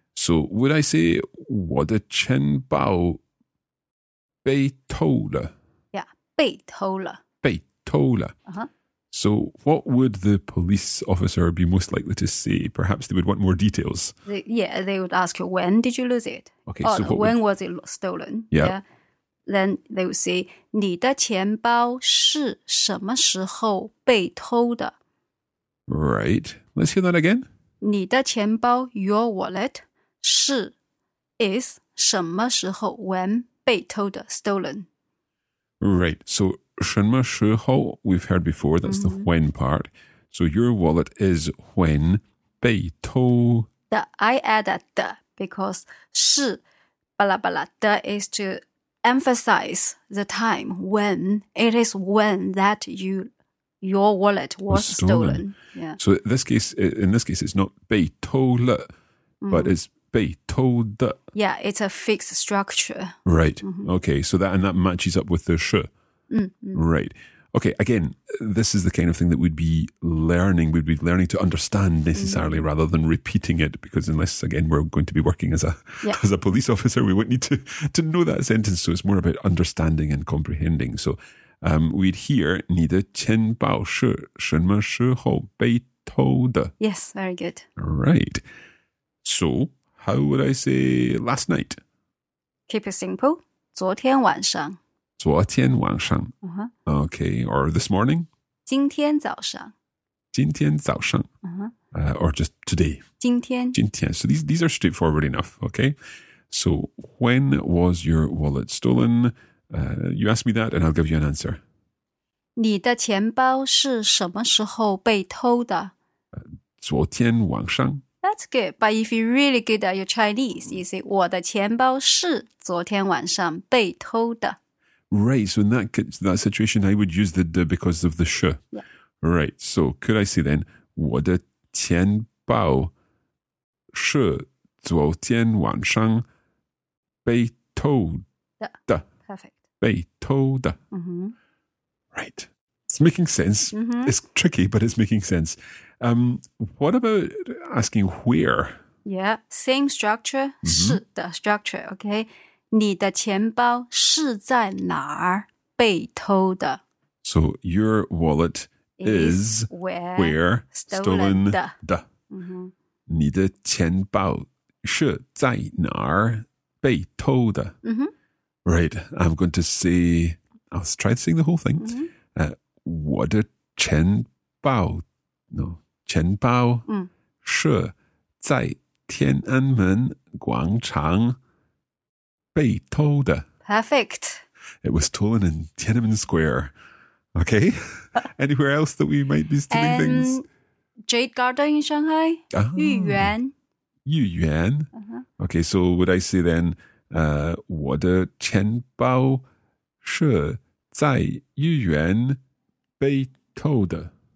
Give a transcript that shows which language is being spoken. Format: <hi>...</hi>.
<en>So would I say,</en> <zh>我的钱包被偷了 Yeah, 被偷了被偷了</zh> <en>So what would the police officer be most likely to say? Perhaps they would want more details. They would ask you, when did you lose it? Okay, or, so what when would... was it stolen? Yeah. Yeah. Then they would say,</en> <zh>你的钱包是什么时候被偷的?</zh> <en>Right. Let's hear that again.</en> <zh>你的钱包,</zh> <en>your wallet,</en> <zh>是is 什么时候 when 被偷的</zh> <en>stolen. Right. So 什么时候 we've heard before, that's the when part. So your wallet is when</en> <zh>被偷</zh> <en>的 I add a 的 because 是 blah blah 的 is to emphasize the time when it is when that you your wallet was stolen. Yeah. So in this case, it's not</en> <zh>被偷了</zh> <en>but it's</en> <zh>被偷的</zh> <en>Yeah, it's a fixed structure. Right. Mm-hmm. Okay. So that matches up with the 是 Right. Okay. Again, this is the kind of thing that we'd be learning. We'd be learning to understand necessarily rather than repeating it because unless, again, we're going to be working as a police officer, we wouldn't need to know that sentence. So it's more about understanding and comprehending.</en> <zh>So we'd hear 你的钱包是什么时候被偷的?</zh> <en>Yes, very good. Right. So how would I say last night? Keep it simple.</en> <zh>昨天晚上。昨天晚上。</zh> <en>Okay, or this morning?</en> <zh>今天早上。今天早上。</zh> <en>Or just today?</en> <zh>今天。今天。</zh> <en>So these are straightforward enough, okay? So when was your wallet stolen? You ask me that and I'll give you an answer.</en> <zh>你的钱包是什么时候被偷的? 昨天晚上。</zh> <en>That's good, but if you're really good at your Chinese, you say</en> <zh>我的钱包是昨天晚上被偷的。</zh> <en>Right, so in that situation, I would use the 的 because of the 是. Yeah. Right, so could I say then,</en> <zh>我的钱包是昨天晚上被偷的。</zh> <en>Yeah. Perfect.</en> <zh>被偷的。 Mm-hmm.</zh> <en>Right, it's making sense. Mm-hmm. It's tricky, but it's making sense. What about asking where? Yeah, same structure. Mm-hmm.</en> <zh>是的</zh> <en>structure, okay.</en> <zh>你的钱包是在哪儿被偷的?</zh> <en>So your wallet is where stolen 的。 Mm-hmm.</en> <zh>你的钱包是在哪儿被偷的? Mm-hmm.</zh> <en>Right, I'm going to say, I'll try saying the whole thing. Mm-hmm.</en> <zh>我的钱包, no, 钱包是在天安门广场被偷的。</zh> <en>Perfect. It was stolen in Tiananmen Square. Okay. Anywhere else that we might be stealing things? Jade Garden in Shanghai. 豫园。</en> <zh>豫园。</zh> <en>Okay, so would I say then,</en> <zh>我的钱包是在豫园被偷的。</zh>